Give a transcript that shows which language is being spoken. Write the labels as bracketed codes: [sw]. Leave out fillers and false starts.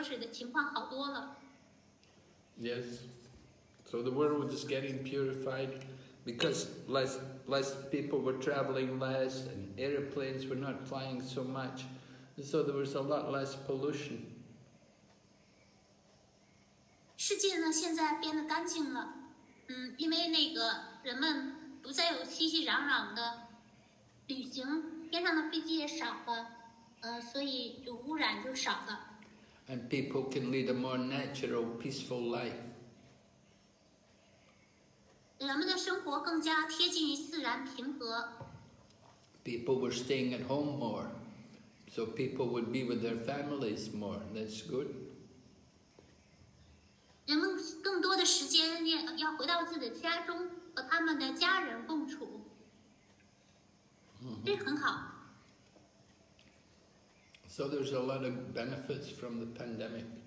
[zh] 地球得到很大的净化，羊的河水以前是污染的，但是现在呢，羊的河水的情况好多了。 [en] Yes, so the world is getting purified because less people were traveling less and airplanes were not flying so much, so there was a lot less pollution. [zh] 世界呢，现在变得干净了，因为那个人们 不再有熙熙攘攘的旅行，天上的飞机也少了，所以就污染就少了。 [en] And people can lead a more natural, peaceful life. [zh] 人们的生活更加贴近于自然平和。 [en] People were staying at home more, so people would be with their families more. That's good. [zh] 人们更多的时间要回到自己的家中。和他们的家人共处， 这很好。 [en] So there's a lot of benefits from the pandemic.